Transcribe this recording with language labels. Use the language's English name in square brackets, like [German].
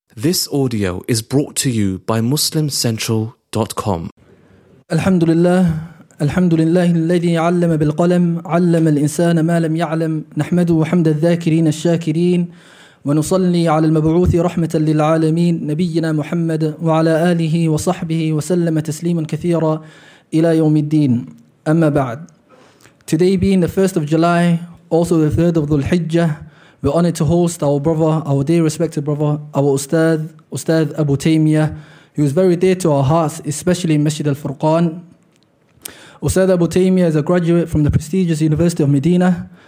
[English] This audio is brought to you by MuslimCentral.com. [Arabic] Alhamdulillah الذي علم بالقلم علم الإنسان ما لم يعلم نحمده وحمد الذاكرين الشاكرين ونصلي على المبعوث رحمة للعالمين نبينا محمد وعلى آله وصحبه وسلم تسليما كثيرا إلى يوم الدين أما بعد. [English] Today being the 1st of July, also the 3rd of Dhul-Hijjah, we're honored to host our brother, our dear respected brother, our Ustadh Abu Taymiyyah, who is very dear to our hearts, especially in Masjid Al-Furqan. Ustadh Abu Taymiyyah is a graduate from the prestigious University of Medina.